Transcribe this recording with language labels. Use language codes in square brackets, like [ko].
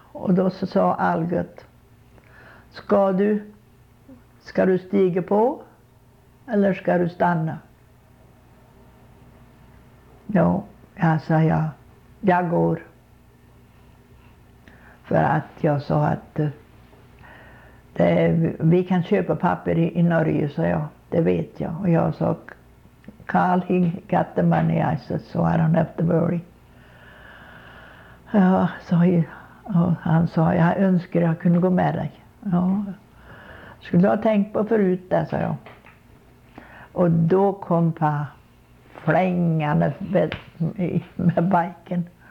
[sv] Och då så sa Algot, ska du stiga på eller ska du stanna? Ja, jag sa, ja, jag går. För att jag sa att vi kan köpa papper i Norge, sa jag. Det vet jag. Och jag sa, [en] Carl, he got the money, I said, so I don't have to worry. [sv] Ja, så he, han sa, jag önskar jag kunde gå med dig. Ja, skulle du ha tänkt på förut det, sa jag. Och då kom pa flängande med biken.